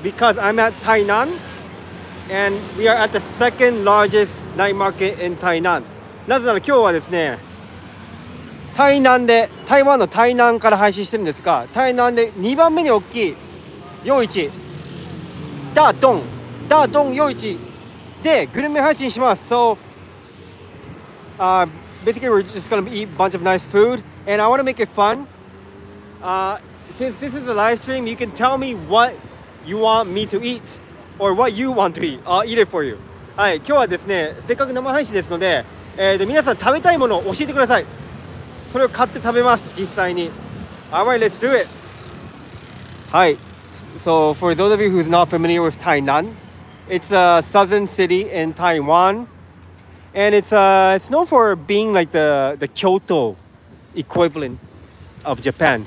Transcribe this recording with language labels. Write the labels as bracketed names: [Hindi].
[English] Because I'm at Tainan and we are at the second largest night market in Tainan. [Japanese] なぜなら今日はですね、台南で、台湾の台南から配信してるんですが、台南で2番目に大きい夜市、ダドン夜市でグルメ配信します。 [English] So, basically we're just gonna eat a bunch of nice food and I wanna make it fun. Since this is a live stream, you can tell me what you want me to eat or what you want to eat. I'll eat it for you. [Japanese] はい、今日はですね、せっかく生配信ですので、皆さん食べたいものを教えてください。それを買って食べます、実際に。 [English] Alright, let's do it! Hi! So, for those of you who's not familiar with Tainan, it's a southern city in Taiwan. And it's known for being like the Kyoto equivalent of Japan.